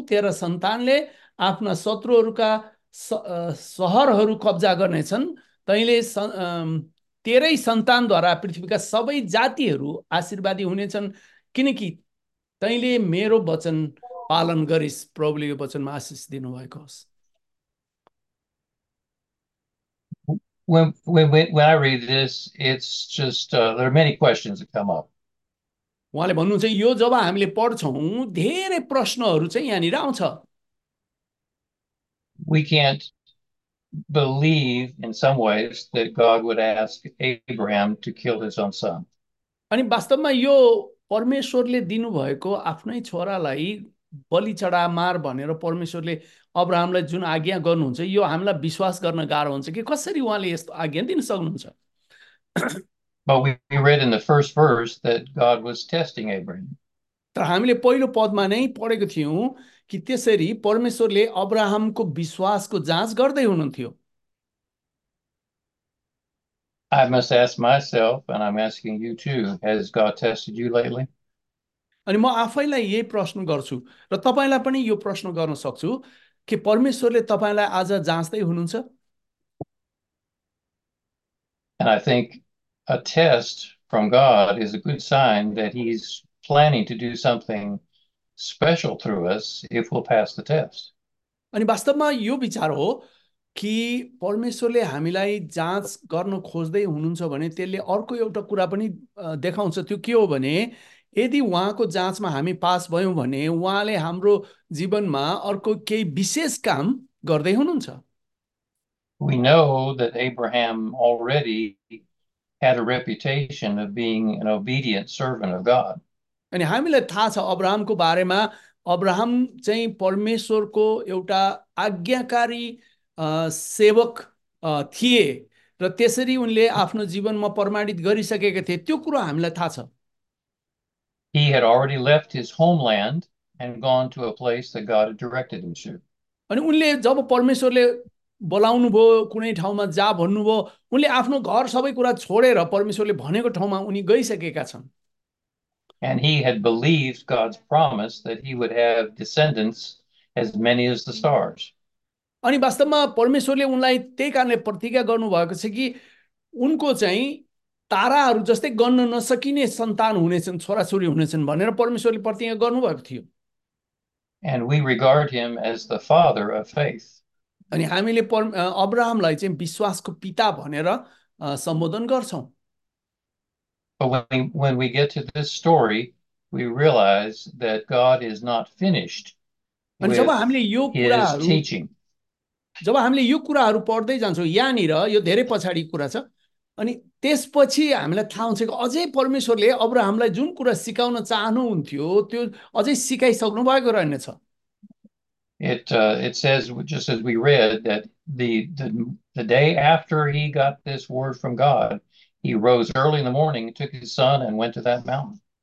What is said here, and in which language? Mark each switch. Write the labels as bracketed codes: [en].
[ne] तेरा सन्तानले आफ्ना शत्रुहरूका सहरहरू कब्जा गर्नेछन्। तैँले तेरै सन्तानद्वारा पृथ्वीका सबै जातिहरू आशीर्वादी हुनेछन् किनकि तैँले मेरो वचन पालन गरिस्। प्रभुले यो वचनमा आशिष दिनुभएको होस्। [en] When I read this, it's just there are many questions that come up. [ne] उहाँले भन्नुहुन्छ यो जब हामीले पढ्छौँ धेरै प्रश्नहरू चाहिँ यहाँनिर आउँछ। [en] We can't believe in some ways that God would ask Abraham to kill his own son. [ne] अनि वास्तवमा यो परमेश्वरले दिनुभएको आफ्नै छोरालाई बलि चढा मार भनेर परमेश्वरले अब्राहमलाई जुन आज्ञा गर्नुहुन्छ यो हामीलाई विश्वास गर्न गाह्रो हुन्छ कि कसरी उहाँले यस्तो आज्ञा दिन सक्नुहुन्छ। [en] But we read in the first verse that God was testing Abraham. [ne] तर हामीले पहिलो पदमा नै पढेको थियौँ कि त्यसरी परमेश्वरले अब्राहमको विश्वासको जाँच गर्दै हुनुहुन्थ्यो। [en] I must ask myself, and I'm asking you too, has God tested you lately? [ne] अनि म आफैलाई यही प्रश्न गर्छु र तपाईँलाई पनि यो प्रश्न गर्न सक्छु कि परमेश्वरले तपाईँलाई आज जाँच्दै हुनुहुन्छ। [en] And I think a test from God is a good sign that he's planning to do something special through us if we'll pass the test. [ne] अनि वास्तवमा यो विचार हो कि परमेश्वरले हामीलाई जाँच गर्न खोज्दै हुनुहुन्छ भने त्यसले अर्को एउटा कुरा पनि देखाउँछ। त्यो के हो भने यदि उहाँको जाँचमा हामी पास भयौँ भने उहाँले हाम्रो जीवनमा अर्को केही विशेष काम गर्दै हुनुहुन्छ। [en] We know that Abraham already had a reputation of being an obedient servant of God. [ne] अनि हामीलाई थाहा छ अब्राहमको बारेमा, अब्राहम चाहिँ परमेश्वरको एउटा आज्ञाकारी सेवक थिए र त्यसरी उनले आफ्नो जीवनमा प्रमाणित गरिसकेका थिए। त्यो कुरो हामीलाई थाहा छ। [en] He had already left his homeland and gone to a place that God had directed him to. [ne] अनि उनले जब परमेश्वरले बोलाउनु भयो कुनै ठाउँमा जा भन्नुभयो, उनले आफ्नो घर सबै कुरा छोडेर परमेश्वरले भनेको ठाउँमा उनी गइसकेका छन्। [en] And he had believed God's promise that he would have descendants as many as the stars. [ne] अनि वास्तवमा परमेश्वरले उनलाई त्यही कारणले प्रतिज्ञा गर्नुभएको छ कि उनको चाहिँ ताराहरू जस्तै गन्न नसकिने सन्तान हुनेछन्, छोराछोरी हुनेछन् भनेर परमेश्वरले प्रतिज्ञा गर्नुभएको थियो। [en] And we regard him as the father of faith. [ne] अनि हामीले अब्राहमलाई चाहिँ विश्वासको पिता भनेर सम्बोधन गर्छौँ। [en] But when we get to this story, we realize that God is not finished with his teaching. [ne] जब हामीले यो कुराहरू पढ्दै जान्छौँ यहाँनिर यो धेरै पछाडि कुरा छ, अनि त्यसपछि हामीलाई थाहा हुन्छ कि अझै परमेश्वरले अब्राहमलाई जुन कुरा सिकाउन चाहनुहुन्थ्यो त्यो अझै सिकाइसक्नु भएको रहेनछ। [en] It says, just as we read, that the day after he got this word from God, he rose early in the morning, took his son, and went to that mountain.